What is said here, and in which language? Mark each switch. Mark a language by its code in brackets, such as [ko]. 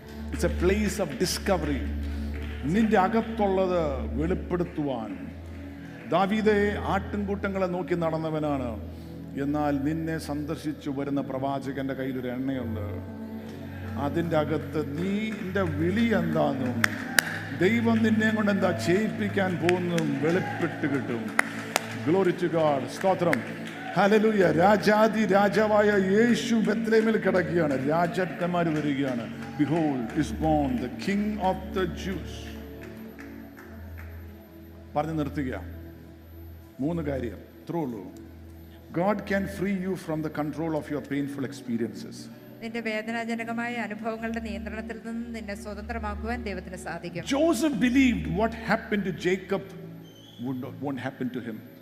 [en] It's a place of discovery. [ml] നിന്റെ അകത്തുള്ളത് വെളിപ്പെടുത്തുവാൻ ദാവീദെ ആട്ടിൻകൂട്ടങ്ങളെ നോക്കി നടന്നവനാണ്, എന്നാൽ നിന്നെ സന്ദർശിച്ചു വരുന്ന പ്രവാചകന്റെ കയ്യിൽ ഒരു എണ്ണയുണ്ട്, അതിൻ്റെ അകത്ത് നിന്റെ വിളി എന്താന്നും ദൈവം നിന്നെ കൊണ്ട് എന്താ ചെയ്യിപ്പിക്കാൻ പോകുന്നതും വെളിപ്പെട്ട് കിട്ടും. [en] Glory to God. [ml] സ്തോത്രം, ഹല്ലേലൂയ. രാജാദി രാജാവായ യേശു ബത്ലഹേമിൽ കിടക്കുകയാണ്, രാജാക്കന്മാർ വരികയാണ്. [en] Behold is born the king of the Jews. [ml] പറഞ്ഞു നിർത്തുകയാ. മൂന്ന് കാര്യം ഇത്രയുള്ളൂ. [en] God can free you from the control of your painful experiences. [ml] നിന്റെ വേദനാജനകമായ അനുഭവങ്ങളുടെ നിയന്ത്രണത്തിൽ നിന്ന് നിന്നെ സ്വതന്ത്രമാക്കുവാൻ ദൈവത്തിന് സാധിക്കും. [en] Joseph believed what happened to Jacob won't happen to him.